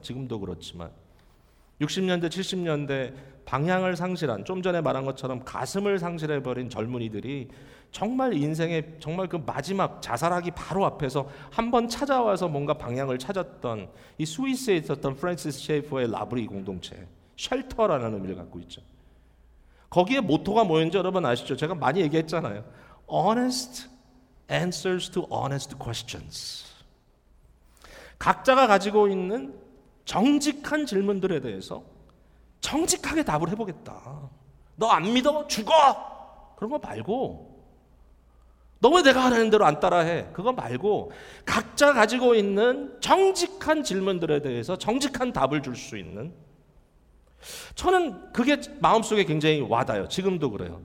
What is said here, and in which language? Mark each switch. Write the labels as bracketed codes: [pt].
[ko] 지금도 그렇지만 60년대 70년대 방향을 상실한 좀 전에 말한 것처럼 가슴을 상실해버린 젊은이들이 정말 인생의 정말 그 마지막 자살하기 바로 앞에서 한번 찾아와서 뭔가 방향을 찾았던 이 스위스에 있었던 프란시스 셰이퍼의 라브리 공동체 쉘터라는 의미를 갖고 있죠. 거기에 모토가 뭐였는지 여러분 아시죠? 제가 많이 얘기했잖아요. [en] Honest answers to honest questions. [ko] 각자가 가지고 있는 정직한 질문들에 대해서 정직하게 답을 해보겠다. 너 안 믿어? 죽어! 그런 거 말고 너 왜 내가 하라는 대로 안 따라해? 그거 말고 각자 가지고 있는 정직한 질문들에 대해서 정직한 답을 줄 수 있는 저는 그게 마음속에 굉장히 와닿아요. 지금도 그래요.